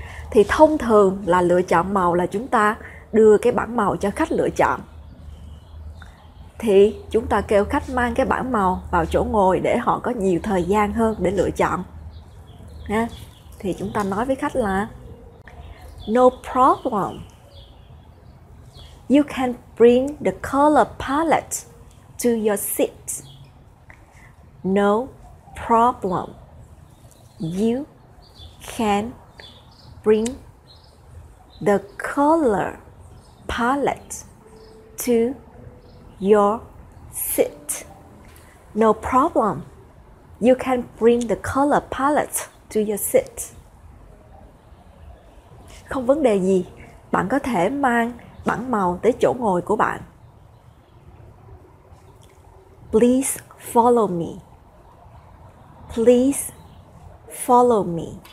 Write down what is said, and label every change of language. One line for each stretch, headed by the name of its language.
Vietnamese: Thì thông thường là lựa chọn màu là chúng ta đưa cái bảng màu cho khách lựa chọn. Thì chúng ta kêu khách mang cái bảng màu vào chỗ ngồi để họ có nhiều thời gian hơn để lựa chọn. Thì chúng ta nói với khách là
English: No problem. You can bring the color palette to your seat. No problem. You can bring the color palette to your seat. No problem. You can bring the color palette to your seat.
Vietnamese: Không vấn đề gì. Bạn có thể mang bảng màu tới chỗ ngồi của bạn.
English: Please follow me. Please follow me.